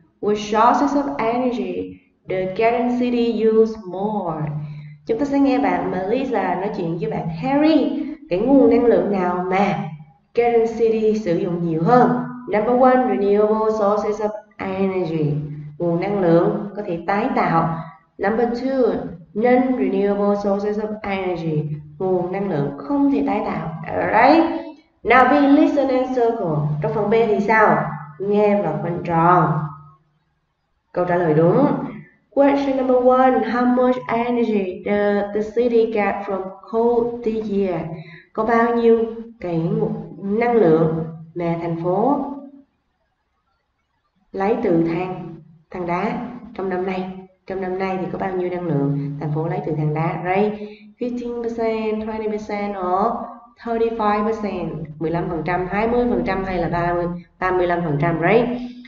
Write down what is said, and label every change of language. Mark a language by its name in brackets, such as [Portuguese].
[English] With sources of energy, the Garden City use more. [Vietnamese] Chúng ta sẽ nghe bạn Melissa nói chuyện với bạn Harry. Cái nguồn năng lượng nào mà Garden City sử dụng nhiều hơn? [English] Number one, renewable sources of energy, [Vietnamese] nguồn năng lượng có thể tái tạo. [English] Number two, non-renewable sources of energy, [Vietnamese] nguồn năng lượng không thể tái tạo. [English] Alright, now we listen and circle. [Vietnamese] Trong phần B thì sao? Nghe và khoanh tròn. Câu trả lời đúng. [English] Question number one, how much energy does the city get from coal this year? [Vietnamese] Có bao nhiêu cái năng lượng mà thành phố lấy từ than, than đá trong năm nay? Trong năm nay thì có bao nhiêu năng lượng thành phố lấy từ than đá? [English] Right? 15%, 20% or 35%, 15%, 20% [Vietnamese] hay là [English] 35%, right?